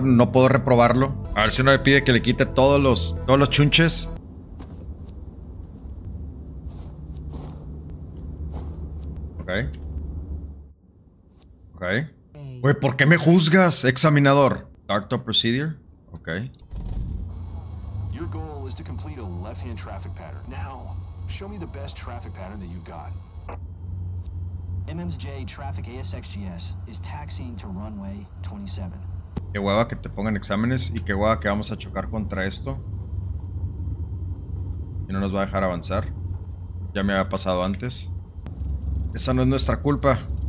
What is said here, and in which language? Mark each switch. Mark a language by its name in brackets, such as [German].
[Spanish] No puedo reprobarlo. A ver si no me pide que le quite todos los chunches. Ok. Ok. Güey, ¿por qué me juzgas, examinador? [English] Doctor Procedure. Ok. Your goal is to complete a left-hand traffic pattern. Now, show me the best traffic pattern that you've got. MMJ traffic ASXGS is taxiing to runway 27. [Spanish] Qué hueva que te pongan exámenes y qué hueva que vamos a chocar contra esto. Y no nos va a dejar avanzar. Ya me había pasado antes. Esa no es nuestra culpa.